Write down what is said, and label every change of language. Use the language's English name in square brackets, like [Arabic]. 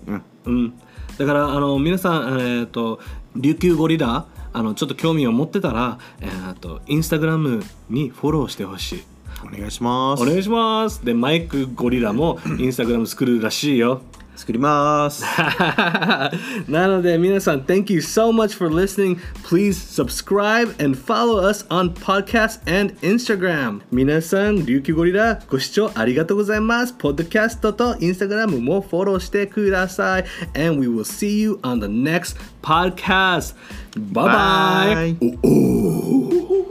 [Japanese] うんうん、だからあの皆さん、琉球ゴリラ、あのちょっと興味を持ってたら、インスタグラムにフォローしてほしい。お願いします。お願いします。でマイクゴリラもインスタグラム作るらしいよ。作ります。なので皆さん [English] Thank you so much for listening. Please subscribe and follow us on podcast and Instagram. [Japanese] 皆さん琉球ゴリラご視聴ありがとうございます。ポッドキャストとインスタグラムもフォローしてください。 [English] And we will see you on the next podcast. Bye bye, bye.